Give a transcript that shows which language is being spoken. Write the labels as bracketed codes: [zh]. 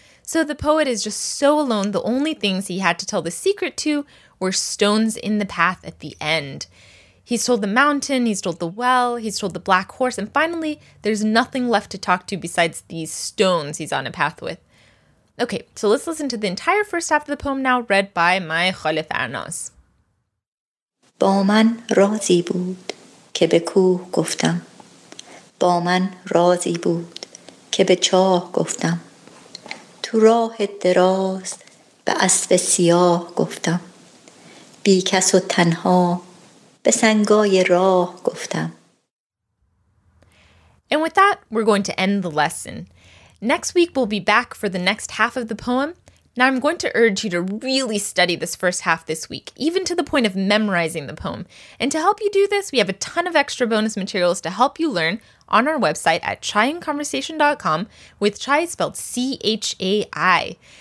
[en] So the poet is just so alone, the only things he had to tell the secret to were stones in the path at the end. He's told the mountain, he's told the well, he's told the black horse, and finally, there's nothing left to talk to besides these stones he's on a path with. Okay, so let's listen to the entire first half of the poem now, read by my Khalif Arnaz. [fa] با من رازی بود که به کوه گفتم. با من رازی بود که به چاه گفتم. تو راه دراز به اسب سیاه گفتم. بی کس و تنها به سنگای راه گفتم. [en] And with that, we're going to end the lesson. Next week, we'll be back for the next half of the poem. Now, I'm going to urge you to really study this first half this week, even to the point of memorizing the poem. And to help you do this, we have a ton of extra bonus materials to help you learn on our website at chaiinconversation.com with chai spelled C-H-A-I.